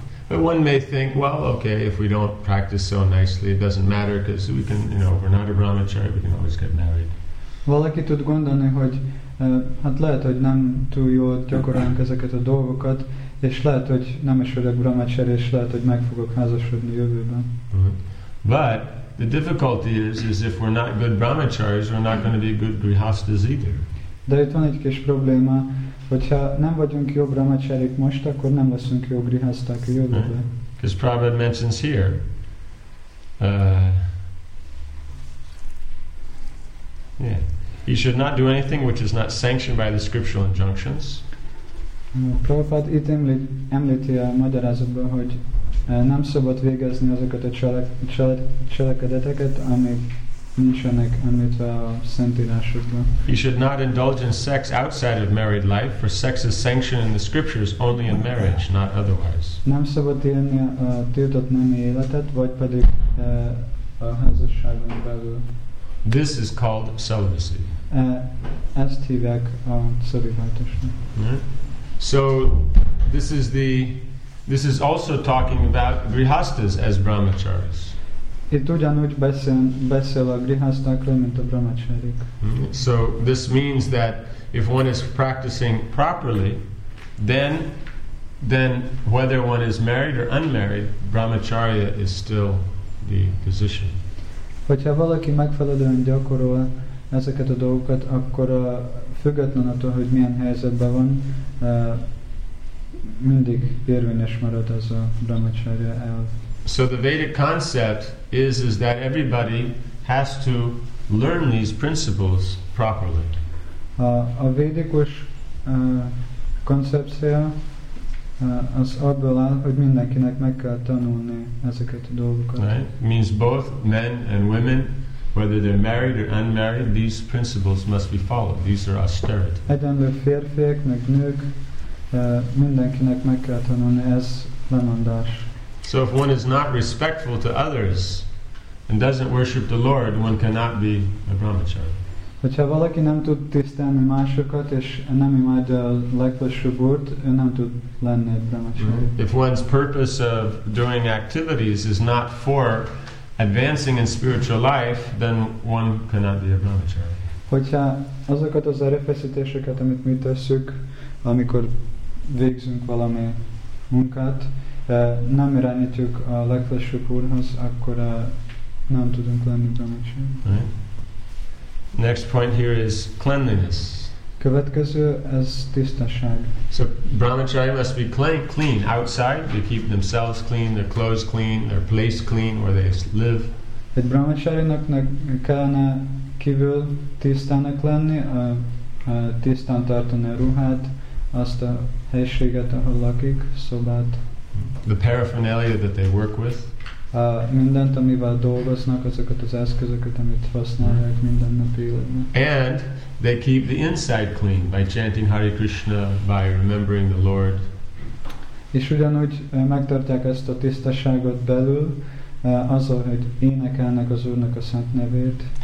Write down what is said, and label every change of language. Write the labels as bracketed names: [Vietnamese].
[English] But one may think, well, okay, if we don't practice so nicely, it doesn't matter because we can, we're not a brahmacharya, we can always get married. [Hungarian] Valaki tud gondolni, hogy lehet, hogy nem túl jól gyakorolunk ezeket a dolgokat, és lehet, hogy nem is vagyok brahmacharya, és lehet, hogy meg fogok házasodni jövőben. [English] But the difficulty is if we're not good brahmacharyas, we're not going to be good grihasthas either. [Hungarian] De itt van egy kis probléma, hogyha nem vagyunk jó brahmacharyák most, akkor nem leszünk jó grihaszták a jövőben. [English] Because Prabhupada mentions here, he should not do anything which is not sanctioned by the scriptural injunctions. [Hungarian] Prabhupada itt említi a magyarázatban, hogy nem szabad végezni azokat a cselekedeteket, amik nincsenek említve a szentírásokban. [English] He should not indulge in sex outside of married life, for sex is sanctioned in the scriptures only in marriage, not otherwise. [Hungarian] Nem szabad élni a tiltott nemi életet, vagy pedig a házasságon belül. [English] This is called celibacy. [Hungarian] Ezt hívják a szolidaritásnak. [English] So this is the also talking about grihasthas as brahmacharis. [Hungarian] Itt ugyanúgy beszél a grihasztákról, mint a brahmacharik. [English] So this means that if one is practicing properly, then whether one is married or unmarried, brahmacharya is still the position. [Hungarian] Hogyha valaki megfelelően gyakorol ezeket a dolgokat, akkor független attól, hogy milyen helyzetben van, mindig érvényes marad az a brahmacharya elv. [English] So the Vedic concept is that everybody has to learn these principles properly. [Hungarian] A védikus koncepció az abból áll, hogy mindenkinek meg kell tanulni ezeket a dolgokat. [English] Right? Means both men and women, whether they're married or unmarried, these principles must be followed. These are austerity. [Hungarian] Egyenlő férfiak, meg nők, mindenkinek meg kell tanulni, ez lemondás. [English] So if one is not respectful to others and doesn't worship the Lord, one cannot be a brahmachari. [Hungarian] Hogyha valaki nem tud tisztelni másokat, és nem imádja a legfelsőbb úrt, ő nem tud lenni egy brahmacharya. [English] If one's purpose of doing activities is not for advancing in spiritual life, then one cannot be a brahmacharya. [Hungarian] Hogyha azokat az erőfeszítéseket, amit mi tesszük, amikor végzünk valami munkát, nem irányítjuk a legfelsőbb úrhoz, akkor nem tudunk lenni brahmacharya. [English] Right. Next point here is cleanliness. [Hungarian] Következő ez tisztaság. [English] So brahmacharya must be clean outside. They keep themselves clean, their clothes clean, their place clean where they live. [Hungarian] Egy brahmacharinak kellene kívül tisztának lenni, tisztán tartani a ruhát, azt a helységet, ahol lakik, szobát. [English] The paraphernalia that they work with. [Hungarian] Mindent, amivel dolgoznak, azokat az eszközöket, amit használják minden nap életben. [English] And they keep the inside clean by chanting Hare Krishna, by remembering the Lord. [Hungarian] És ugyanúgy megtartják ezt a tisztaságot belül, azzal, hogy énekelnek az Úrnak a szent nevét.